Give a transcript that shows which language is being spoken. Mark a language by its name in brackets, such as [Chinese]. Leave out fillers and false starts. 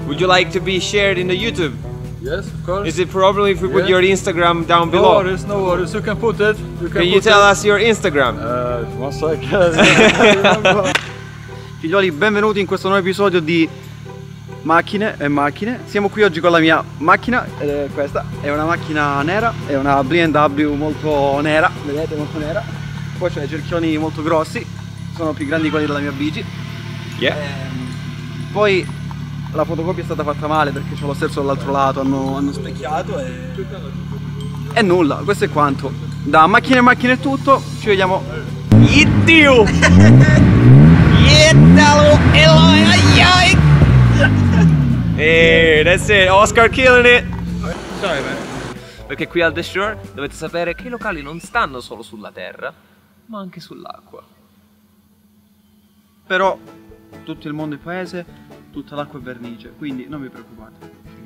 [English] Would you like to be shared in the YouTube? Yes, of course. Is it probably if we put your Instagram down below? No worries, no worries. You can put it. Can you tell us your Instagram? One second. [Italian] Figlioli, benvenuti in questo nuovo episodio di Macchine e Macchine. Siamo qui oggi con la mia macchina, ed è questa. È una macchina nera, è una BMW molto nera, vedete, molto nera. Poi c'è i cerchioni molto grossi, sono più grandi di quelli della mia bici. [English] Yeah. [Italian] Poi la fotocopia è stata fatta male perché c'è lo sterzo dall'altro lato, hanno specchiato e nulla, questo è quanto. Da Macchine e Macchine è tutto, ci vediamo. Iddio! Iddalo! Eloi! [English] Hey, that's it, Oscar killing it! Sorry man. [Italian] Perché qui al The Shore dovete sapere che i locali non stanno solo sulla terra, ma anche sull'acqua. Però tutto il mondo è paese, tutta l'acqua è vernice, quindi non vi preoccupate.